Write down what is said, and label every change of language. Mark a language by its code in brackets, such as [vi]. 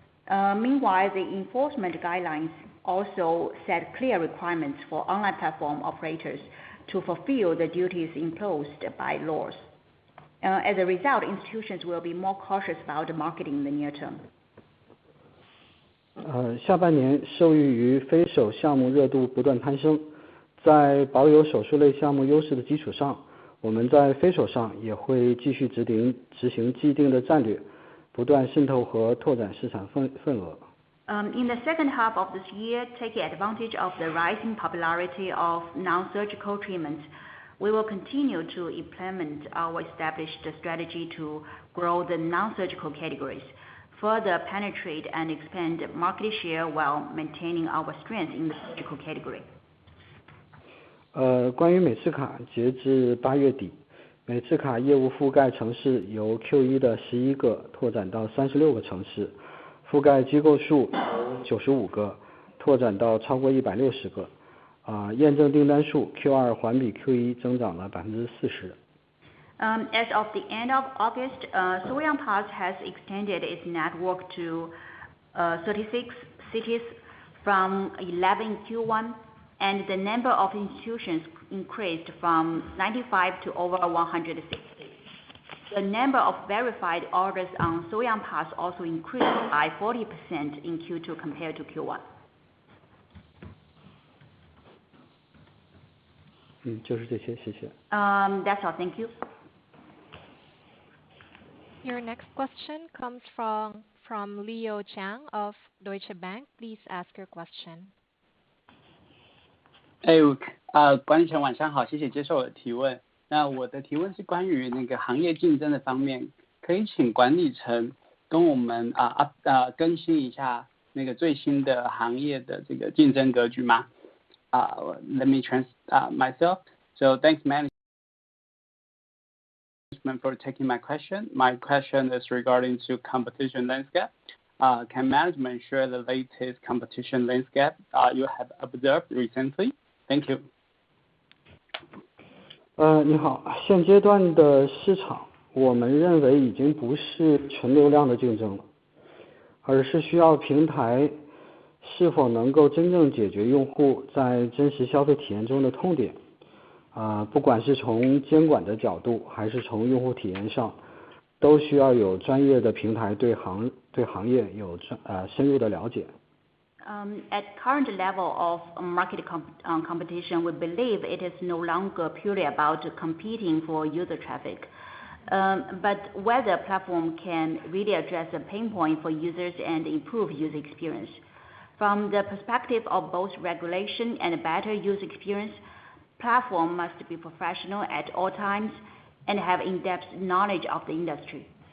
[en] Meanwhile, the enforcement guidelines also set clear requirements for online platform operators. To fulfill the duties imposed by laws. As a result, institutions will be more cautious about marketing in the near term. [zh] 下半年受益于非手项目热度不断攀升，在保有手术类项目优势的基础上，我们在非手上也会继续执行既定的战略，不断渗透和拓展市场份额。 [en] In the second half of this year, taking advantage of the rising popularity of non-surgical treatments, we will continue to implement our established strategy to grow the non-surgical categories, further penetrate and expand market share while maintaining our strength in the surgical category. [zh] 关于美次卡，截至八月底，美次卡业务覆盖城市由 Q1 的11个拓展到36个城市。覆盖机构数95个，拓展到超过160个，验证订单数 Q2 环比 Q1 增长了40%。 [en] As of the end of August, Soyang Pass has extended its network to 36 cities from 11 Q1, and the number of institutions increased from 95 to over 160. The number of verified orders on Soyang Pass also increased by 40% in Q2 compared to Q1. [zh] 就是这些，谢谢。 [en] That's all, thank you. Your next question comes from Leo Chang of Deutsche Bank. Please ask your question. [zh] Hey, 管理层晚上好，谢谢接受我的提问。那我的提问是关于那个行业竞争的方面，可以请管理层跟我们更新一下那个最新的行业的这个竞争格局吗？ [en] Let me myself. So thanks management for taking my question. My question is regarding to competition landscape. Can management share the latest competition landscape you have observed recently? Thank you. [zh] 你好，现阶段的市场我们认为已经不是纯流量的竞争了，而是需要平台是否能够真正解决用户在真实消费体验中的痛点。不管是从监管的角度还是从用户体验上，都需要有专业的平台对行业有深入的了解。 [en] At current level of market competition, we believe it is no longer purely about competing for user traffic, but whether platform can really address a pain point for users and improve user experience. From the perspective of both regulation and better user experience, platform must be professional at all times and have in-depth knowledge of the industry.